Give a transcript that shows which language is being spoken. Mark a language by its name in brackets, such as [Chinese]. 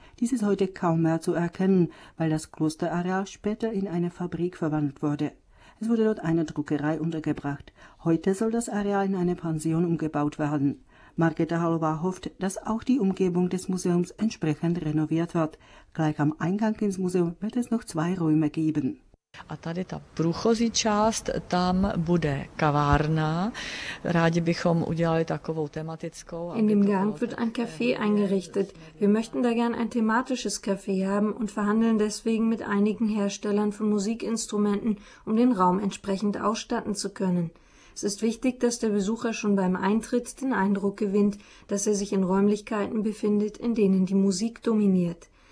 [German] Dies ist heute kaum mehr zu erkennen, weil das Klosterareal später in eine Fabrik verwandelt wurde. Es wurde dort eine Druckerei untergebracht. Heute soll das Areal in eine Pension umgebaut werden. Margita Hallwey hofft, dass auch die Umgebung des Museums entsprechend renoviert wird. Gleich am Eingang ins Museum wird es noch zwei Räume geben. [Czech] A tady ta průchozí část, tam bude kavárna. Rádi bychom udělali takovou tematickou. [German] In dem Gang wird ein Café eingerichtet. Wir möchten da gern ein thematisches Café haben und verhandeln deswegen mit einigen Herstellern von Musikinstrumenten, um den Raum entsprechend ausstatten zu können. Es ist wichtig, dass der Besucher schon beim Eintritt den Eindruck gewinnt, dass er sich in Räumlichkeiten befindet, in denen die Musik dominiert.